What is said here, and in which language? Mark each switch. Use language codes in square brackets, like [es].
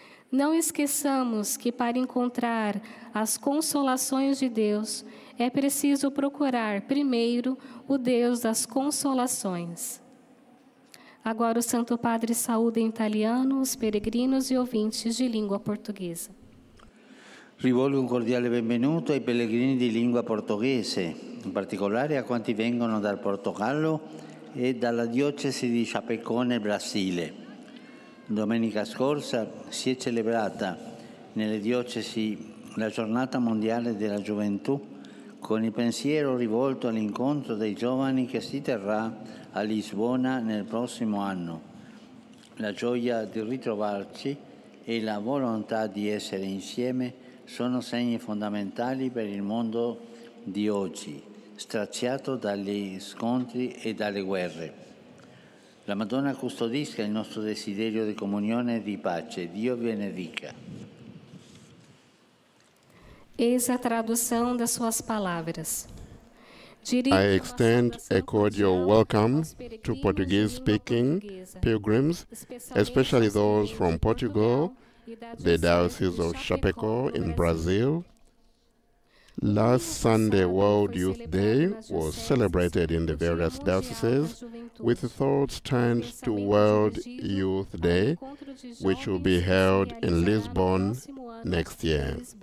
[pt] Não esqueçamos que para encontrar as consolações de Deus, é preciso procurar primeiro o Deus das consolações. Agora o Santo Padre saúda em italiano os peregrinos e ouvintes de língua portuguesa. [it] Rivolgo un cordiale benvenuto ai pellegrini di lingua portoghese, in particolare a quanti vengono dal Portogallo e dalla diocesi di Chapecó, Brasile. Domenica scorsa si è celebrata nelle diocesi la giornata mondiale della gioventù, con il pensiero rivolto all'incontro dei giovani che si terrà a Lisbona nel prossimo anno. La gioia di ritrovarci e la volontà di essere insieme sono segni fondamentali per il mondo di oggi, straziato dagli scontri e dalle guerre. La Madonna custodisca il nostro desiderio di comunione e di pace. Dio benedica. [pt] Eis a tradução das suas palavras. [en] I extend a cordial welcome to Portuguese-speaking pilgrims, especially those from Portugal, the Diocese of Chapecó in Brazil. Last Sunday, World Youth Day was celebrated in the various dioceses, with thoughts turned to World Youth Day, which will be held in Lisbon next year.